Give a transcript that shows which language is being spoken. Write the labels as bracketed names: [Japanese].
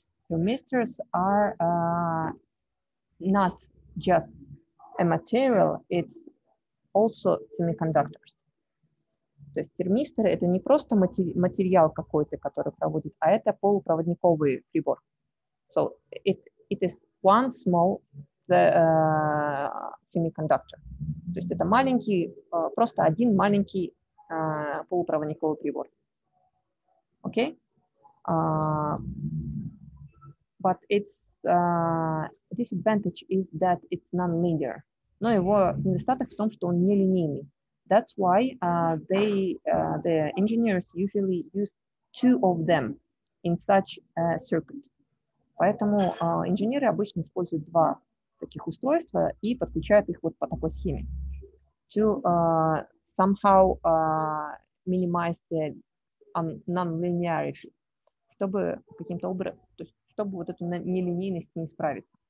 [English] Thermistors are not just a material, it's also semiconductors. [Russian] То есть термистор — это не просто материал какой-то, который проводит, а это полупроводниковый прибор. [English] So it is one small semiconductor. [Russian] То есть это маленький, просто один маленький полупроводниковый прибор. [English] Okay? But its disadvantage is that it's non-linear. [Russian] Но его недостаток в том, что он нелинейный. [English] That's why the engineers usually use two of them in such a circuit. [Russian] Поэтому инженеры обычно используют два таких устройства и подключают их вот по такой схеме. [English] To somehow minimize the non-linearity. [Russian] Чтобы каким-то образом, то есть, чтобы вот эту нелинейность не исправить.